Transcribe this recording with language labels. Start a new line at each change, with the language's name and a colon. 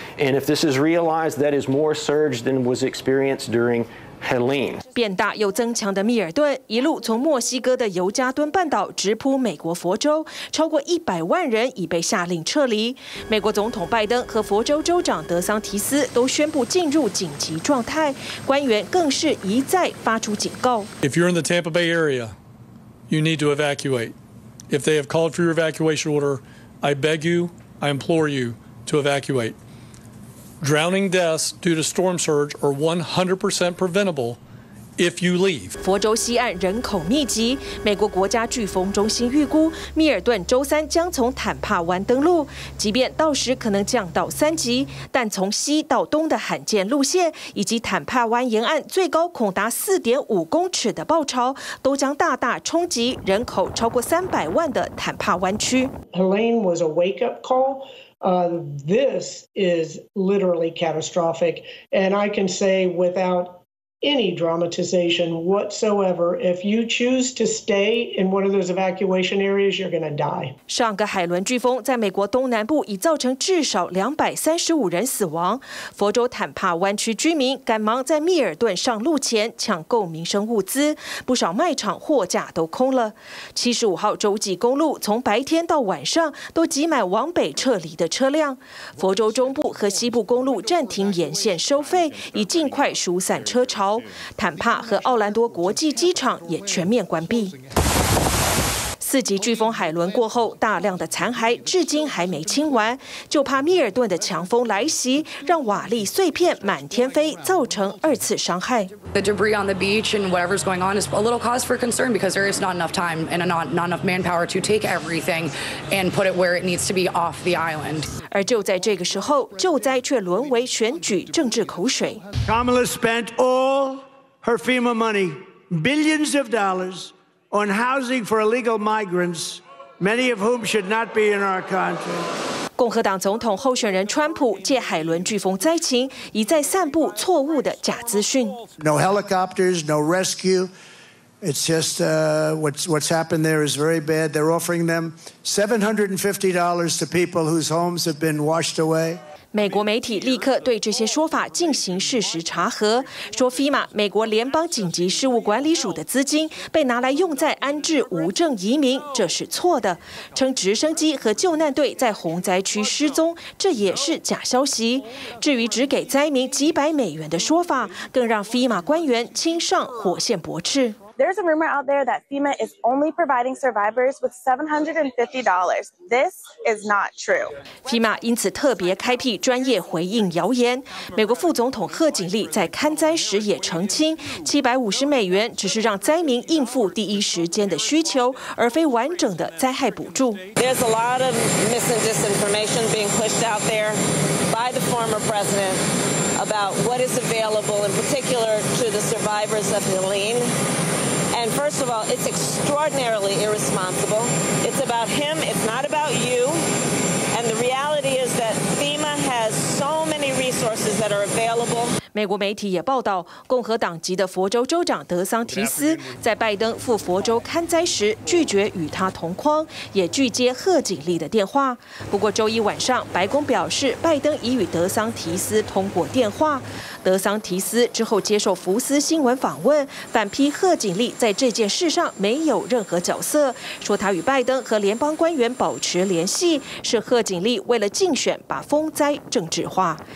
English: And if this is realized, that is more surge than was experienced during Helene.
Chinese: 变大又增强的密尔顿一路从墨西哥的尤加敦半岛直扑美国佛州，超过100万人已被下令撤离。美国总统拜登和佛州州长德桑提斯都宣布进入紧急状态，官员更是一再发出警告。
English: If you're in the Tampa Bay area, you need to evacuate. If they have called for your evacuation order, I beg you, I implore you to evacuate. Drowning deaths due to storm surge are 100% preventable if you leave.
Chinese: 佛州西岸人口密集，美国国家飓风中心预估密尔顿周三将从坦帕湾登陆，即便到时可能降到三级，但从西到东的罕见路线以及坦帕湾沿岸最高恐达4.5公尺的暴潮，都将大大冲击人口超过300万的坦帕湾区。
English: Helene was a wake-up call. This is literally catastrophic, and I can say without any dramatization whatsoever, if you choose to stay in one of those evacuation areas, you're going to die.
Chinese: 上个海伦飓风在美国东南部已造成至少235人死亡，佛州坦帕湾区居民赶忙在密尔顿上路前抢购民生物资，不少卖场货架都空了。 75号洲际公路从白天到晚上都挤满往北撤离的车辆，佛州中部和西部公路暂停沿线收费以尽快疏散车潮，坦帕和奥兰多国际机场也全面关闭。四级飓风海伦过后，大量的残骸至今还没清完，就怕密尔顿的强风来袭，让瓦砾碎片满天飞，造成二次伤害。
English: The debris on the beach and whatever's going on is a little cause for concern because there is not enough time and not enough manpower to take everything and put it where it needs to be off the island.
Chinese: 而就在这个时候，救灾却沦为选举政治口水。
English: Kamala spent all her FEMA money, billions of dollars. On housing for illegal migrants, many of whom should not be in our country.
Chinese: 共和党总统候选人川普借海伦飓风灾情，一再散布错误的假资讯。
English: No helicopters, no rescue. It's just what's happened there is very bad. They're offering them $750 to people whose homes have been washed away.
Chinese: 美国媒体立刻对这些说法进行事实查核，说 FEMA 美国联邦紧急事务管理署的资金被拿来用在安置无证移民，这是错的。称直升机和救难队在洪灾区失踪，这也是假消息。至于只给灾民几百美元的说法，更让 FEMA 官员亲上火线驳斥。
English: There's a rumor out there that FEMA is only providing survivors with $750. This is not true.
Chinese: FEMA 因此特别开辟专业回应谣言。美国副总统贺锦丽在勘灾时也澄清，750美元只是让灾民应付第一时间的需求，而非完整的灾害补助。
English: There's a lot of mis- and disinformation being pushed out there by the former president about what is available, in particular to the survivors of Helene. And first of all, it's extraordinarily irresponsible. It's about him, it's not about you. And the reality is that FEMA has so many resources that are available.
Chinese: 美国媒体也报道，共和党籍的佛州州长德桑提斯在拜登赴佛州勘灾时拒绝与他同框，也拒接贺锦丽的电话。不过周一晚上，白宫表示拜登已与德桑提斯通过电话。德桑提斯之后接受福斯新闻访问，反批贺锦丽在这件事上没有任何角色，说他与拜登和联邦官员保持联系，是贺锦丽为了竞选把风灾政治化。